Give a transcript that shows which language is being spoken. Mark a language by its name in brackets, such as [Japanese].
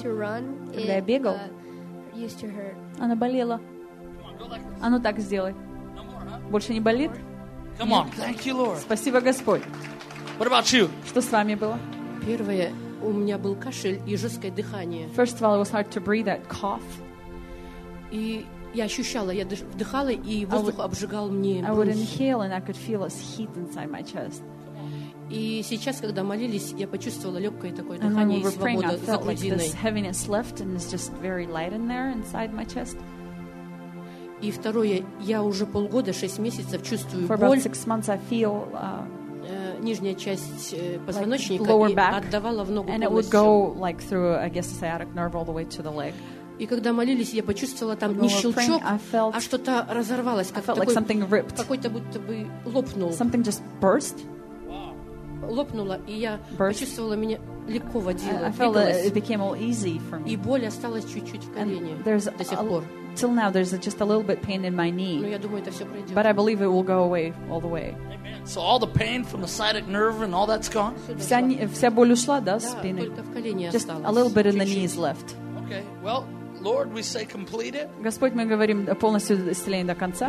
[English] I used to run, [Russian] когда я бегал, [English] used to hurt. [Russian] Она болела. [English] Come on, go like this. [Russian] А ну так сделай. [English] No more, huh? [Russian] Больше не болит? [English] Come on. Thank you, Lord. [Russian] Спасибо, Господь. [English] What about you? [Russian] Что с вами было? Первое. У меня был кашель и жесткое дыхание. [English] First of all, it was hard to breathe, that cough. [Russian] И я ощущала, я вдыхала, и воздух обжигал мне. [English] I would inhale and I could feel this heat inside my chest. [Russian] И сейчас, когда молились, я почувствовала легкое такое дыхание и свободу за грудиной. [English] And when we were praying, I felt like this heaviness left and it's just very light in there inside my chest. [Russian] И второе, я уже полгода, 6 месяцев чувствую [English] боль. For about 6 months, I feel [Russian] нижняя часть позвоночника [English] like back, [Russian] и отдавала в ногу [English] and [Russian] полностью. [English] It would go, like, through, I guess, the sciatic nerve all the way to the leg. [Russian] И когда молились, я почувствовала там не щелчок, а что-то разорвалось, как [English] like something ripped. [Russian] Какой-то будто бы лопнул. [English] Something just burst. [Russian] Лопнуло, и я burst. Почувствовала, меня легко водило. [English] I felt that it became all easy for me. [Russian] И боль осталась чуть-чуть в колене до сих пор. [English] Till now, there's just a little bit pain in my knee. [Russian] Но я думаю, это все пройдет. [English] But I believe it will go away all the way. So all the pain from the sciatic nerve and all that's gone? [Russian] Вся боль ушла, да, спины? [English] Just a little bit in the knees left. Okay, well, Lord, we say complete it. [Russian] Господь, мы говорим полностью исцеление до конца.